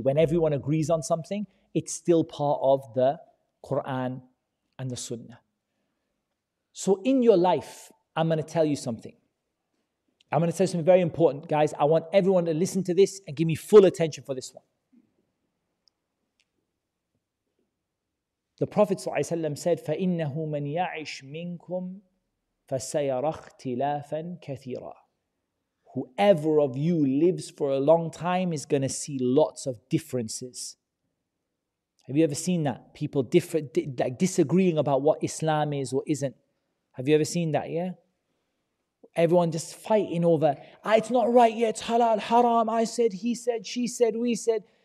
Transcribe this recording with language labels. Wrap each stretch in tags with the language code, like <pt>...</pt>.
<en>When everyone agrees on something, it's still part of the Quran and the Sunnah. So in your life, I'm going to tell you something very important, guys. I want everyone to listen to this and give me full attention for this one. The Prophet ﷺ said,</en> <ar>فَإِنَّهُ مَنْ يَعِشْ مِنْكُمْ فَسَيَرَ اخْتِلَافًا كَثِيرًا.</ar> <en>Whoever of you lives for a long time is going to see lots of differences. Have you ever seen that? People disagreeing about what Islam is or isn't. Have you ever seen that, yeah? Everyone just fighting over, it's not right yet, it's halal, haram, I said, he said, she said, we said.</en>